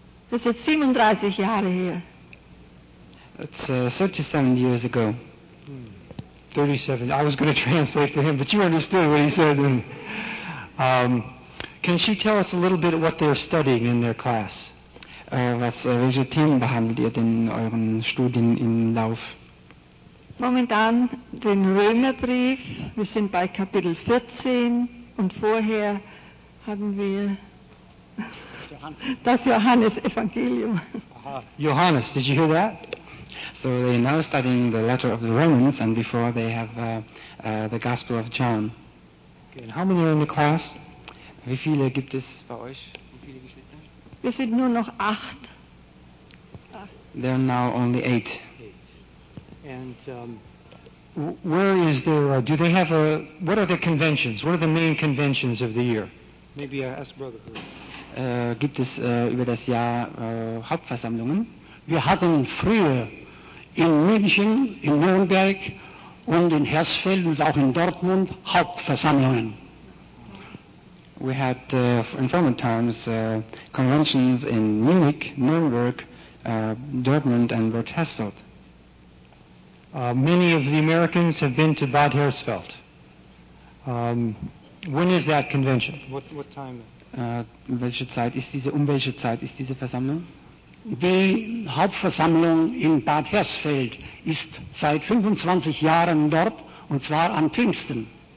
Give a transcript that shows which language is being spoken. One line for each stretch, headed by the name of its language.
German: Das ist jetzt 37 Jahre her.
English: It's 37 years ago. 37. I was going to translate for him, but you understood what he said. Can she tell us a little bit of what they're studying in their class?
German: Welche Themen behandelt ihr denn in euren Studien im Lauf? Momentan den Römerbrief. Wir sind bei Kapitel 14 und vorher hatten wir das Johannesevangelium.
English: Johannes, did you hear that? So they are now studying the letter of the Romans and before they have the Gospel of John. Okay, and how many are in the class?
German: Wie viele gibt es bei euch? Wie viele Geschwister? Wir sind nur noch acht.
English: There are now only eight. And where is there, do they have a, what are the conventions? What are the main conventions of the year? Maybe I ask Brother Hurley.
German: Gibt es über das Jahr Hauptversammlungen? Wir hatten früher in München, in Nürnberg und in Hersfeld und auch in Dortmund Hauptversammlungen.
English: We had in former times conventions in Munich, Nürnberg, Dortmund and Bad Hersfeld. Many of the Americans have been to Bad Hersfeld. When is that convention? What time?
German: Welche Zeit ist diese, um welche Zeit ist diese Versammlung? Die Hauptversammlung in Bad Hersfeld ist seit 25 Jahren dort, und zwar an Pfingsten.